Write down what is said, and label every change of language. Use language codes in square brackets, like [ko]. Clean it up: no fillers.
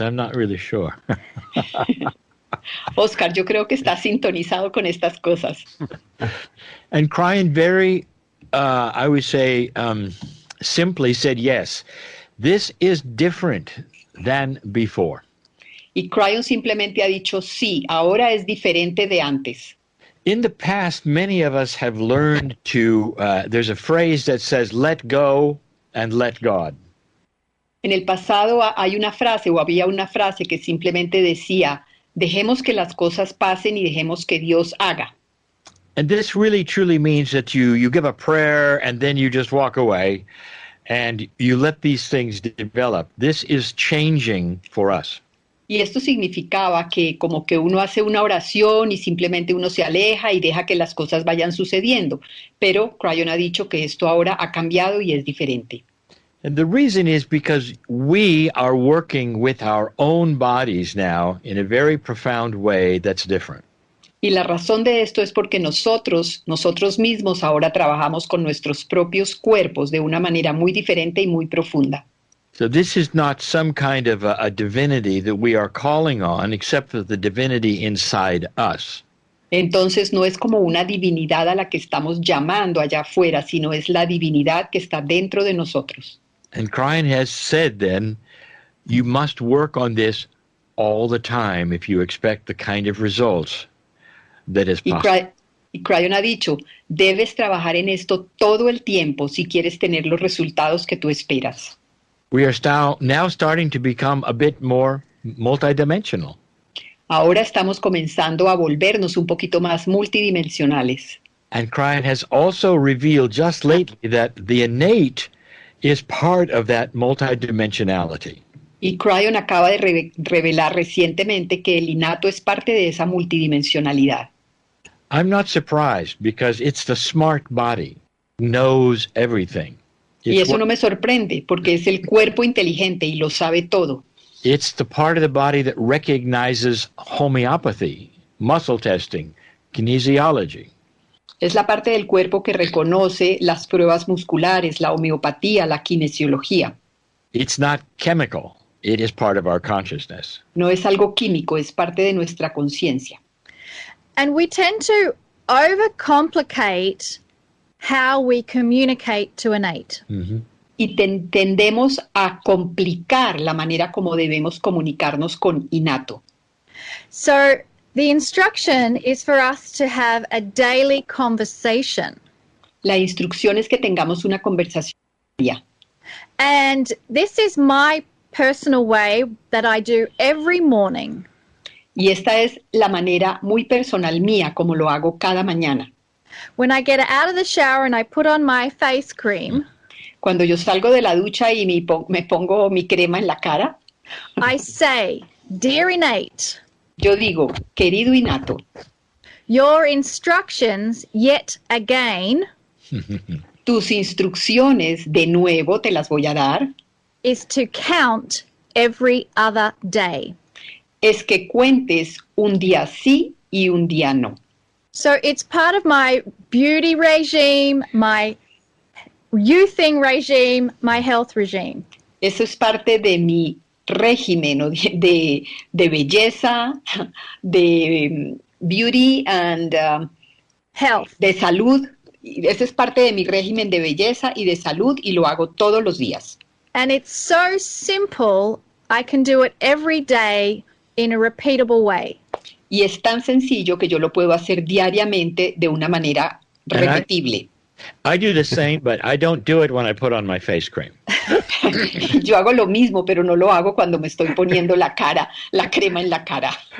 [en] I'm not really sure. [es] Oscar, yo creo que está sintonizado con estas cosas. [en] And Cryon very, I would say, simply said yes. This is different than before. [es] Y Cryon simplemente ha dicho sí, ahora es diferente de antes. [en] In the past, many of us have learned to, there's a phrase that says, let go and let God. [es] En el pasado hay una frase o había una frase que simplemente decía, dejemos que las cosas pasen y dejemos que Dios haga. [en] And this really truly means that you give a prayer and then you just walk away and you let these things develop. This is changing for us. [es] Y esto significaba que como que uno hace una oración y simplemente uno se aleja y deja que las cosas vayan sucediendo. Pero Cryon ha dicho que esto ahora ha cambiado y es diferente. [en] And the reason is because we are working with our own bodies now in a very profound way that's different. [es] Y la razón de esto es porque nosotros mismos ahora trabajamos con nuestros propios cuerpos de una manera muy diferente y muy profunda. [en] So this is not some kind of a divinity that we are calling on, except for the divinity inside us. [es] Entonces no es como una divinidad a la que estamos llamando allá afuera, sino es la divinidad que está dentro de nosotros. [en] And Cryon has said then, you must work on this all the time if you expect the kind of results that is possible. [es] Y Cryon ha dicho, debes trabajar en esto todo el tiempo si quieres tener los resultados que tú esperas. [en] We are now starting to become a bit more multidimensional. [es] Ahora estamos comenzando a volvernos un poquito más multidimensionales. [en] And Cryon has also revealed just lately that the innate is part of that multidimensionality. [es] Y Cryon acaba de revelar recientemente que el innato es parte de esa multidimensionalidad. [en] I'm not surprised because it's the smart body knows everything. [es] Y eso no me sorprende, porque es el cuerpo inteligente y lo sabe todo. [en] It's the part of the body that recognizes homeopathy, muscle testing, kinesiology. [es] Es la parte del cuerpo que reconoce las pruebas musculares, la homeopatía, la kinesiología. [en] It's not chemical, it is part of our consciousness. [es] No es algo químico, es parte de nuestra conciencia. [en] And we tend to overcomplicate how we communicate to innate. Mm-hmm. [es] Y tendemos a complicar la manera como debemos comunicarnos con innato. [en] So the instruction is for us to have a daily conversation. [es] La instrucción es que tengamos una conversación diaria. [en] And this is my personal way that I do every morning. [es] Y esta es la manera muy personal mía como lo hago cada mañana. [en] When I get out of the shower and I put on my face cream, [es] cuando yo salgo de la ducha y me pongo mi crema en la cara, [en] I say, dear innate, [es] yo digo, querido innato, [en] your instructions yet again, [es] tus instrucciones de nuevo te las voy a dar, [en] is to count every other day. [es] Es que cuentes un día sí y un día no. [en] So it's part of my beauty regime, my youthing regime, my health regime. [es] Eso es parte de mi régimen de belleza, de [en] beauty and health. [es] De salud. Eso es parte de mi régimen de belleza y de salud y lo hago todos los días. [en] And it's so simple, I can do it every day in a repeatable way. [es] Y es tan sencillo que yo lo puedo hacer diariamente de una manera repetible. [en] I do the same, but I don't do it when I put on my face cream. [es] Yo hago lo mismo, pero no lo hago cuando me estoy poniendo la cara, la crema en la cara.